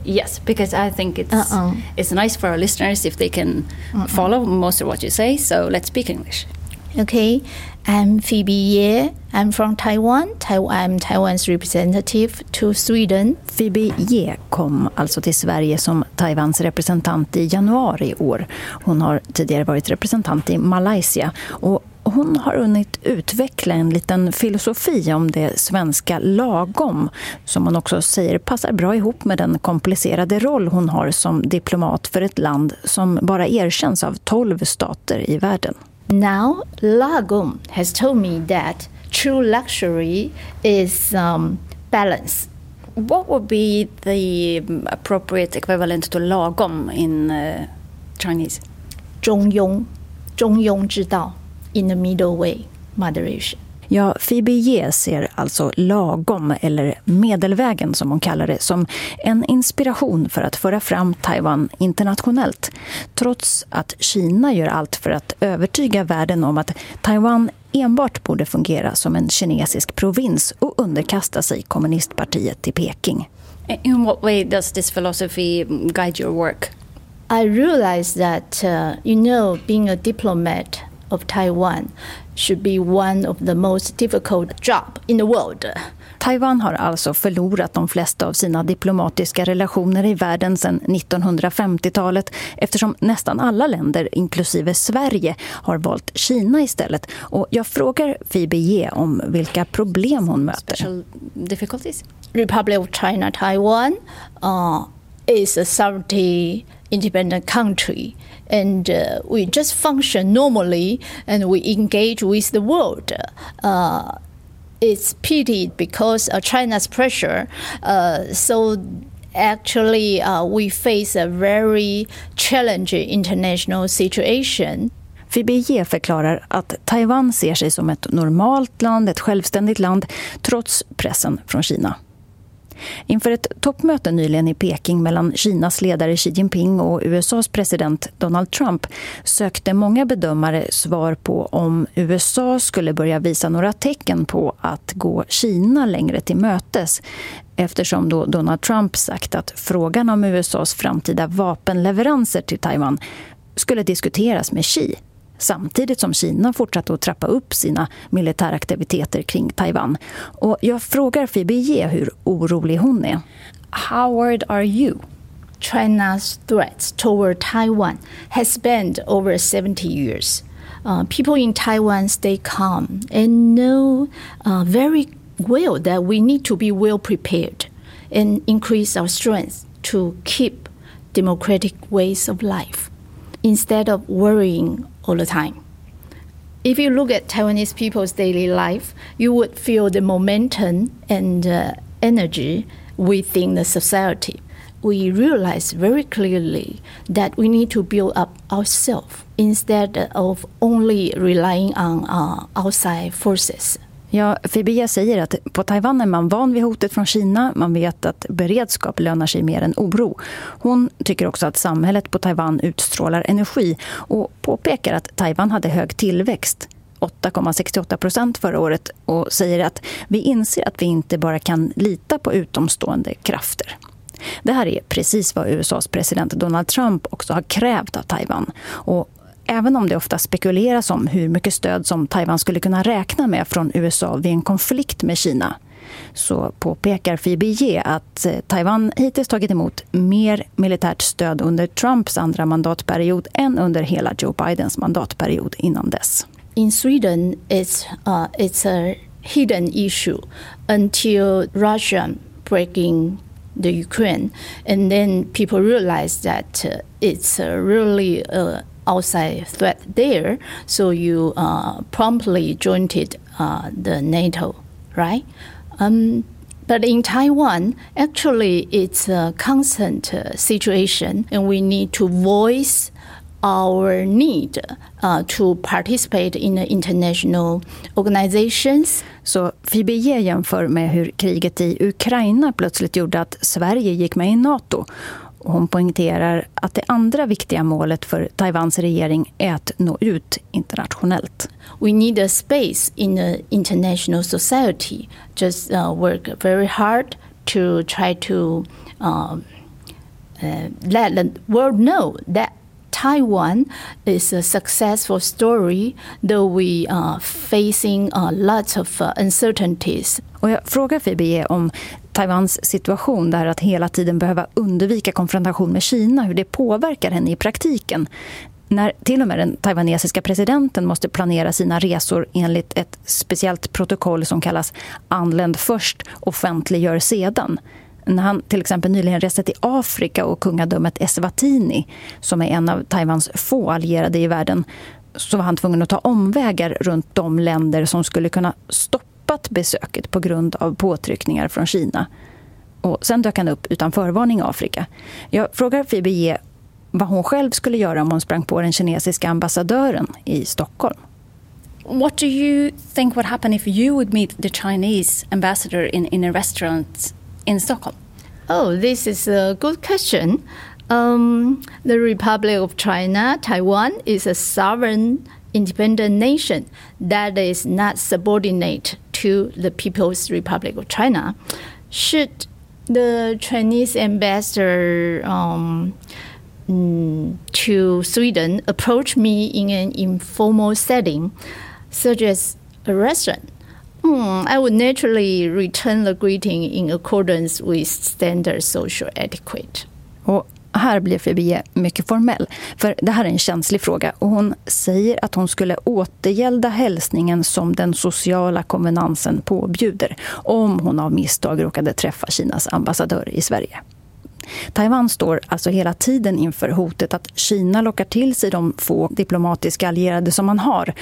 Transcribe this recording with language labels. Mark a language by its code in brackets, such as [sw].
[en] Yes, because I think it's nice for our listeners if they can follow most of what you say, so let's speak English. Okay, I'm Phoebe Ye. I'm from Taiwan. I'm Taiwan's representative to Sweden. [sv] Phoebe Ye kom alltså till Sverige som Taiwans representant i januari i år. Hon har tidigare varit representant i Malaysia och hon har hunnit utveckla en liten filosofi om det svenska lagom som hon också säger passar bra ihop med den komplicerade roll hon har som diplomat för ett land som bara erkänns av 12 stater i världen. [en] Now, lagom has told me that true luxury is balance. What would be the appropriate equivalent to lagom in Chinese? [zh] 中庸之道. [en] In the middle way, moderation. [sv] Ja, Phoebe Ye ser alltså lagom, eller medelvägen som hon kallar det, som en inspiration för att föra fram Taiwan internationellt. Trots att Kina gör allt för att övertyga världen om att Taiwan enbart borde fungera som en kinesisk provins och underkasta sig kommunistpartiet i Peking. [en] In what way does this philosophy guide your work? I realize that, being a diplomat of Taiwan should be one of the most difficult job in the world. [sv] Taiwan har alltså förlorat de flesta av sina diplomatiska relationer i världen sedan 1950-talet eftersom nästan alla länder, inklusive Sverige, har valt Kina istället. Och jag frågar Phoebe Ye om vilka problem hon möter. [en] Special difficulties? Republic of China, Taiwan is a sovereignty independent country. And we just function normally and we engage with the world. It's pitied because of China's pressure. So actually, we face a very challenging international situation. [sv] Phoebe Ye förklarar att Taiwan ser sig som ett normalt land, ett självständigt land, trots pressen från Kina. Inför ett toppmöte nyligen i Peking mellan Kinas ledare Xi Jinping och USAs president Donald Trump sökte många bedömare svar på om USA skulle börja visa några tecken på att gå Kina längre till mötes, eftersom då Donald Trump sagt att frågan om USAs framtida vapenleveranser till Taiwan skulle diskuteras med Xi, samtidigt som Kina fortsatte att trappa upp sina militära aktiviteter kring Taiwan. Och jag frågar Phoebe Ye hur orolig hon är. [en] How worried are you? China's threats toward Taiwan has spanned over 70 years. People in Taiwan stay calm and know very well that we need to be well prepared and increase our strength to keep democratic ways of life. Instead of worrying all the time. If you look at Taiwanese people's daily life, you would feel the momentum and energy within the society. We realize very clearly that we need to build up ourselves instead of only relying on outside forces. [sv] Ja, Phoebe Ye säger att på Taiwan är man van vid hotet från Kina. Man vet att beredskap lönar sig mer än oro. Hon tycker också att samhället på Taiwan utstrålar energi och påpekar att Taiwan hade hög tillväxt, 8,68% förra året, och säger att vi inser att vi inte bara kan lita på utomstående krafter. Det här är precis vad USAs president Donald Trump också har krävt av Taiwan. Och även om det ofta spekuleras om hur mycket stöd som Taiwan skulle kunna räkna med från USA vid en konflikt med Kina, så påpekar Phoebe Ye att Taiwan hittills tagit emot mer militärt stöd under Trumps andra mandatperiod än under hela Joe Bidens mandatperiod innan dess. [en] In Sweden it's a hidden issue until Russia breaking the Ukraine, and then people realize that it's really a outside threat there, so you promptly joined the NATO, right? But in Taiwan, actually, it's a constant situation, and we need to voice our need to participate in the international organizations. [sv] Så Fibie jämför med hur kriget i Ukraina plötsligt gjorde att Sverige gick med i NATO. Hon poängterar att det andra viktiga målet för Taiwans regering är att nå ut internationellt. [en] We need a space in the international society. Just work very hard to try to let the world know that Taiwan is a successful story, though we are facing a lot of uncertainties. [sv] Och jag frågar Fibie om Taiwans situation, där att hela tiden behöva undvika konfrontation med Kina, hur det påverkar henne i praktiken. När till och med den taiwanesiska presidenten måste planera sina resor enligt ett speciellt protokoll som kallas anländ först, offentliggör sedan. När han till exempel nyligen reste till Afrika och kungadömet Eswatini, som är en av Taiwans få allierade i världen, så var han tvungen att ta omvägar runt de länder som skulle kunna stoppat besöket på grund av påtryckningar från Kina. Och sen dök han upp utan förvarning i Afrika. Jag frågar Fibie vad hon själv skulle göra om hon sprang på den kinesiska ambassadören i Stockholm. [en] What do you think would happen if you would meet the Chinese ambassador in a restaurant in Stockholm? Oh, this is a good question. The Republic of China, Taiwan, is a sovereign independent nation that is not subordinate to the People's Republic of China. Should the Chinese ambassador to Sweden approach me in an informal setting, such as a restaurant, I would naturally return the greeting in accordance with standard social etiquette. [sv] Och här blir Fibie mycket formell, för det här är en känslig fråga. Och hon säger att hon skulle återgälda hälsningen som den sociala konvenansen påbjuder om hon av misstag råkade träffa Kinas ambassadör i Sverige. Taiwan står alltså hela tiden inför hotet att Kina lockar till sig de få diplomatiska allierade som man har.